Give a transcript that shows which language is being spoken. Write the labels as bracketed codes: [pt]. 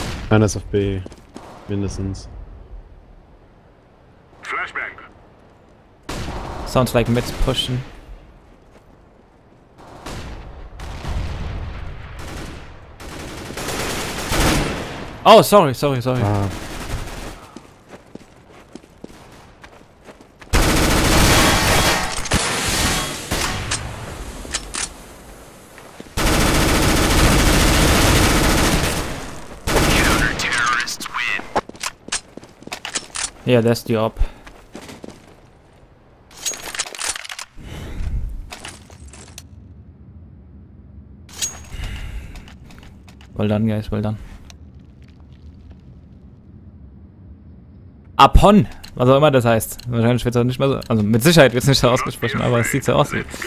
[de] Einer ist auf B, mindestens. [en] Flashbang. Sounds like mids pushing. Oh, sorry. Ah. Yeah, that's the op. Well done, guys, well done. Upon! [de] Was auch immer das heißt. Wahrscheinlich wird es auch nicht mehr so. Also, mit Sicherheit wird es nicht so ausgesprochen, aber es sieht so aus wie.